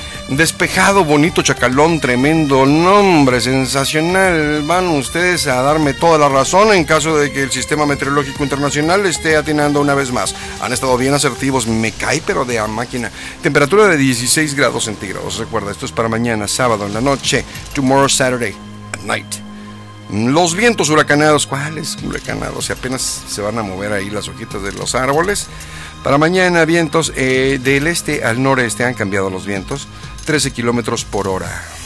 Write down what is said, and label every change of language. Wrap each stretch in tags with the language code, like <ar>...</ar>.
<es>Despejado, bonito, chacalón, tremendo nombre, sensacional. Van ustedes a darme toda la razón en caso de que el Sistema Meteorológico Internacional esté atinando una vez más. Han estado bien asertivos, me cae, pero de a máquina. Temperatura de 16 grados centígrados. Recuerda, esto es para mañana, sábado, en la noche.</es> <en>Tomorrow, Saturday, at night.</en> <es>Los vientos huracanados. ¿Cuáles huracanados? Si apenas se van a mover ahí las hojitas de los árboles. Para mañana, vientos del este al noreste, han cambiado los vientos, 13 kilómetros por hora.</es>